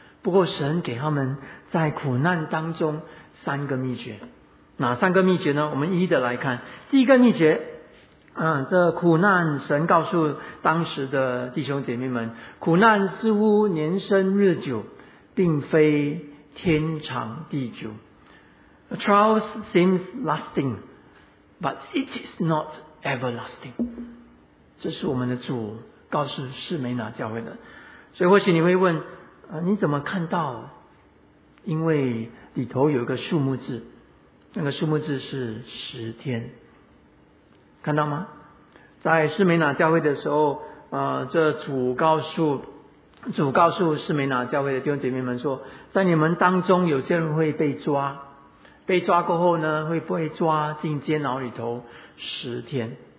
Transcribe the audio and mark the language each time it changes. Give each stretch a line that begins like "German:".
Chinese: 不过神给他们在苦难当中三个秘诀，哪三个秘诀呢？我们一一的来看。第一个秘诀，这苦难神告诉当时的弟兄姐妹们，苦难似乎年深日久，并非天长地久。
English: Trials seems lasting, but it is not everlasting.
Chinese: 这是我们的主告诉施梅拿教会的。所以或许你会问，你怎么看到？因为里头有一个数目字，那个数目字是十天，看到吗？在施梅拿教会的时候，这主告诉施梅拿教会的弟兄姐妹们说，在你们当中有些人会被抓，被抓过后呢，会被抓进监牢里头十天。